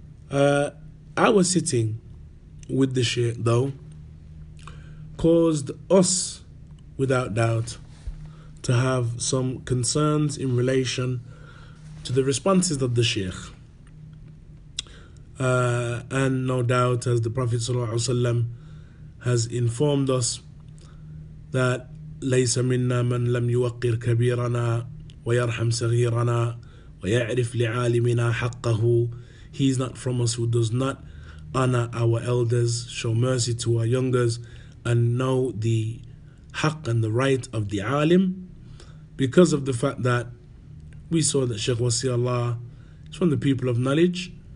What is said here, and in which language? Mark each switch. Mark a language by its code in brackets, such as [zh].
[en] Our sitting with the Sheikh, though, caused us, without doubt, to have some concerns in relation to the responses of the Sheikh. And no doubt, as the Prophet ﷺ has informed us, that [ar] ليس منا من لم يوقر كبيرنا ويرحم صغيرنا ويعرف لعالمنا حقه. [en] He is not from us who does not honor our elders, show mercy to our youngers, and know the haqq and the right of the alim, because of the fact that we saw that Sheikh Wasiullah is from the people of knowledge.